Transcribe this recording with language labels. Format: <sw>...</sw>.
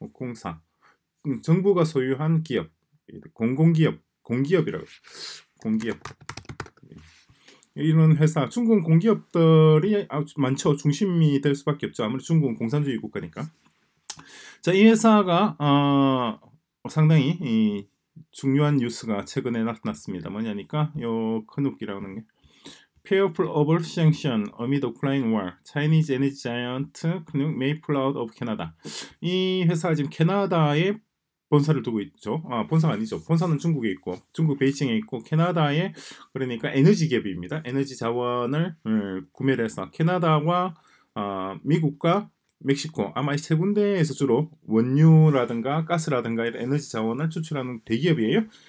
<ko>공사, 정부가 소유한 기업, 공공기업, 공기업이라고, 공기업. 이런 회사, 중국은 공기업들이 많죠. 중심이 될 수밖에 없죠. 아무리 중국은 공산주의 국가니까. 자, 이 회사가 상당히 중요한 뉴스가 최근에 나타났습니다. 뭐냐니까 요 큰욱이라고 하는 게</ko> <en>Fearful of sanction amid Ukraine war. Chinese energy giant 큰욱 may pull out of Canada.</en> <ko>이 회사가 지금 캐나다에 본사를 두고 있죠. 아, 본사가 아니죠. 본사는 중국에 있고, 중국 베이징에 있고, 캐나다에, 그러니까 에너지 기업입니다. 에너지 자원을 구매를 해서 캐나다와 미국과 멕시코, 아마 이세 군데에서 주로 원유라든가 가스라든가 이런 에너지 자원을 추출하는 대기업이에요.</ko>